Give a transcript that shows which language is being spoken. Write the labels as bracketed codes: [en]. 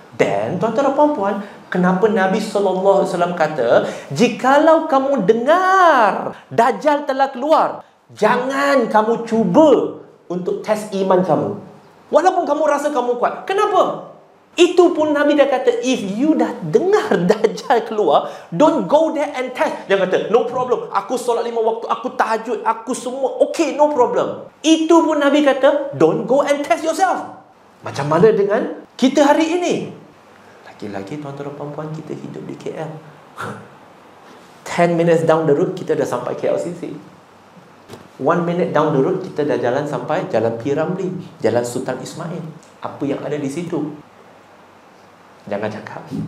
[ms] Dan, tuan-tuan dan puan-puan, kenapa Nabi SAW kata, jikalau kamu dengar, Dajjal telah keluar, jangan kamu cuba untuk test iman kamu. Walaupun kamu rasa kamu kuat. Kenapa? Itu pun Nabi dah kata, [en] if you [ms] dah dengar Dajjal keluar, [en] don't go there and test. [ms] Jangan kata, [en] no problem. [ms] Aku solat 5 waktu, aku tahajud, aku semua [en] okay, no problem. [ms] Itu pun Nabi kata, [en] don't go and test yourself. [ms] Macam mana dengan kita hari ini? Lagi-lagi tuan-tuan dan puan-puan, kita hidup di KL. [en] 10 minutes down the road, [ms] kita dah sampai KLCC. [en] 1 minute down the road, [ms] kita dah jalan sampai Jalan P. Ramli, Jalan Sultan Ismail. Apa yang ada di situ? Jangan cakap.